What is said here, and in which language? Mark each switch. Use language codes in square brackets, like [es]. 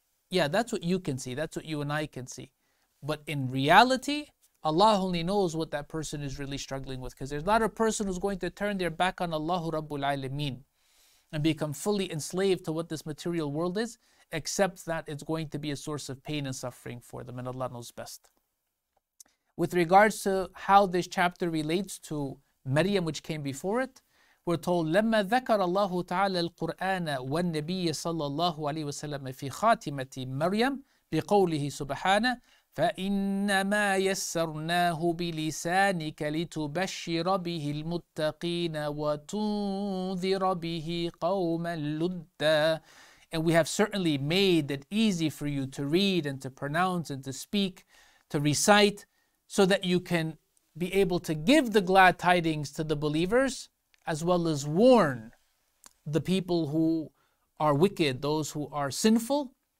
[en] Yeah, that's what you can see. That's what you and I can see. But in reality, Allah only knows what that person is really struggling with. Because there's not a person who's going to turn their back on Allahu Rabbul Alameen and become fully enslaved to what this material world is, except that it's going to be a source of pain and suffering for them. And Allah knows best. With regards to how this chapter relates to Maryam, which came before it, we're told [ar] لما ذكر الله تعالى القرآن والنبي صلى الله عليه وسلم في خاتمة مريم بقوله سبحانه فإنما يسرناه بلسانك لتبشر به المتقين وتنذر به قوما لدا. [en] And we have certainly made it easy for you to read and to pronounce and to speak, to recite, so that you can be able to give the glad tidings to the believers, as well as warn the people who are wicked, those who are sinful.